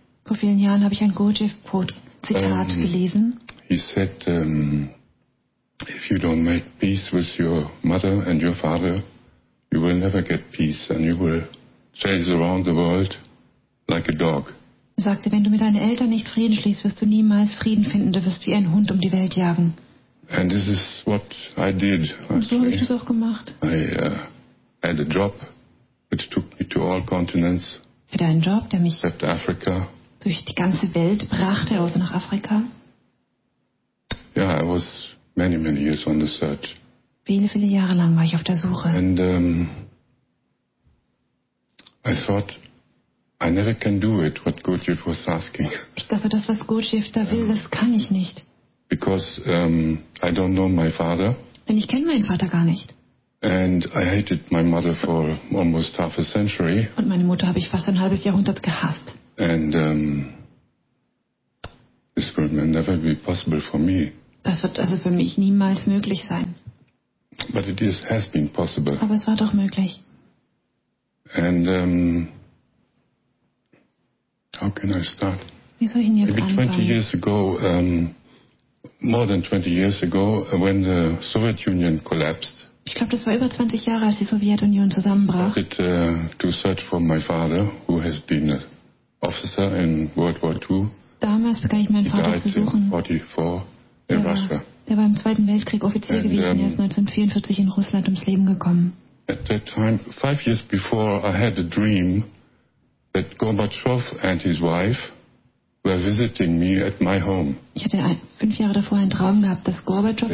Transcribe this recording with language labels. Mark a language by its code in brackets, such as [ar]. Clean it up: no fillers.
[de] Vor vielen Jahren habe ich ein Gurdjieff-Zitat gelesen. [en] He said, if you don't make peace with your mother and your father, you will never get peace and you will chase around the world like a dog. [de] Er sagte, wenn du mit deinen Eltern nicht Frieden schließt, wirst du niemals Frieden finden. Du wirst wie ein Hund um die Welt jagen. [en] And this is what I did. [de] Und so habe ich das auch gemacht. [en] I had a job which took me to all continents. [de] Ich hatte einen Job, der mich [en] except Africa. [de] Durch die ganze Welt brachte, außer nach Afrika. [en] Ja, yeah, I was many, many years on the search. [de] Viele, viele Jahre lang war ich auf der Suche. [en] And I thought, I never can do it, what Gurdjieff was asking. [de] Ich dachte, das, was Gurdjieff da will, das kann ich nicht. [en] Because I don't know my father. [de] Denn ich kenne meinen Vater gar nicht. [en] And I hated my mother for almost half a century. [de] Und meine Mutter habe ich fast ein halbes Jahrhundert gehasst. [en] And this will never be possible for me. [de] Das wird also für mich niemals möglich sein. [en] But it is, has been possible. [de] Aber es war doch möglich. [en] And how can I start? [de] Wie soll ich denn jetzt [en] maybe 20 [de] anfangen? [en] Years ago, more than 20 years ago, when the Soviet Union collapsed. [de] Ich glaube, das war über 20 Jahre, als die Sowjetunion zusammenbrach. [en] I started to search for my father, who has been an officer in World War II. [de] Damals begann ich meinen Vater zu suchen. [en] He died in 1944 in Russia. [de] Er war im Zweiten Weltkrieg Offizier gewesen. Er ist 1944 in Russland ums Leben gekommen. [en] At that time, 5 years before, I had a dream that Gorbachev and his wife were visiting me at my home. [de] Ich hatte 5 Jahre davor einen Traum gehabt, dass Gorbachev